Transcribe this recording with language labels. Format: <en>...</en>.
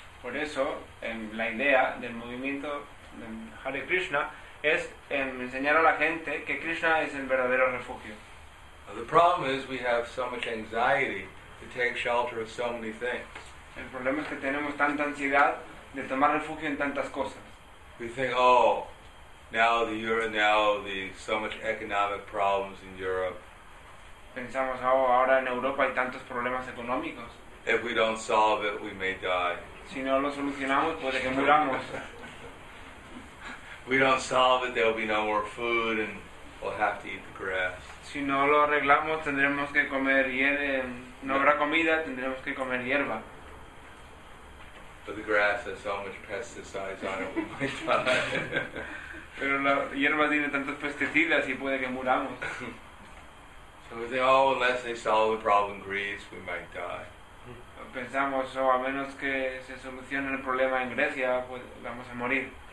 <es>Por eso, la idea del movimiento de Hare Krishna es enseñar a la gente que Krishna es el verdadero refugio.</es> <en>Now, the problem is we have so much anxiety to take shelter of so many things.</en> <es>El problema es que tenemos tanta ansiedad de tomar refugio en tantas cosas.</es> <en>We think, oh, now the so much economic problems in Europe.</en> <es>Pensamos, oh, ahora en Europa hay tantos problemas económicos.</es> <en>If we don't solve it, we may die.</en> <es>Si no lo solucionamos, puede que muramos.</es> <en>We don't solve it, there will be no more food and we'll have to eat the grass.</en> <es>Si no lo arreglamos, tendremos que comer hierba. No habrá comida, tendremos que comer hierba.</es> <en>But the grass has so much pesticides on it, we might die.</en> <es>Pero la hierba tiene tantos pesticidas y puede que muramos.</es> <en>So we think, oh, unless they solve the problem in Greece, we might die.</en> <es>Pensamos, oh, a menos que se solucione el problema en Grecia, pues vamos a morir.</es>